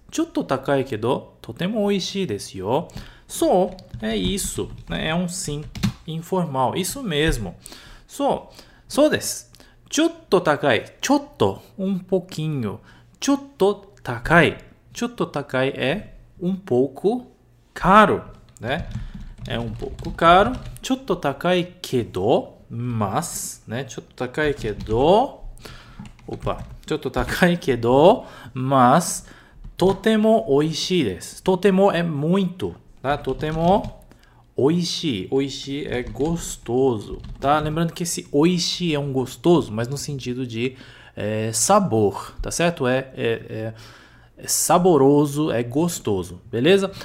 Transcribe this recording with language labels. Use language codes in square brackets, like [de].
[ja] Chotto takai kedo, totemo oishii desu yo. Sou, [pt] é isso, né? É um sim. informal. Isso mesmo. [ja] そうです。ちょっと高い。ちょっと、 [pt] um pouquinho. [ja] ちょっと高い。ちょっと高い [pt] é um pouco caro, né? É um pouco caro. [ja] ちょっと高いけど、 [pt] mas, né? [ja] ちょっと高いけど、opa, ちょっと高いけど、mas, とても美味しいです。とても [pt] é muito, tá? とても oishi, oishi é gostoso, tá? Lembrando que esse oishi é um gostoso, mas no sentido de sabor, tá certo? É saboroso, é gostoso, beleza?